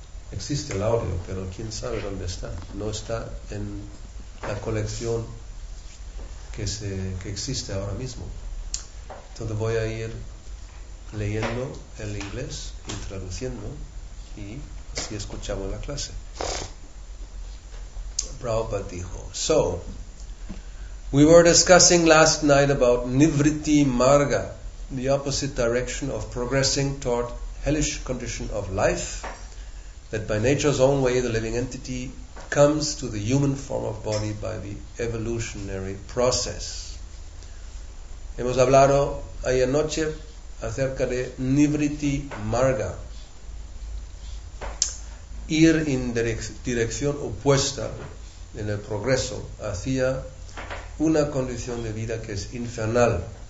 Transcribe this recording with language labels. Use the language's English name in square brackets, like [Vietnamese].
[Spanish] Existe el audio, pero quién sabe dónde está. No está en la colección que existe ahora mismo. Entonces voy a ir leyendo el inglés y traduciendo, y así escuchamos la clase. [English] Prabhupada [Spanish] dijo: [English] So, we were discussing last night about Nivritti Marga, the opposite direction of progressing toward hellish condition of life, that by nature's own way the living entity comes to the human form of body by the evolutionary process. [Spanish] Hemos hablado ayer noche acerca de Nivritti Marga, ir en dirección opuesta en el progreso hacia una condición de vida que es infernal.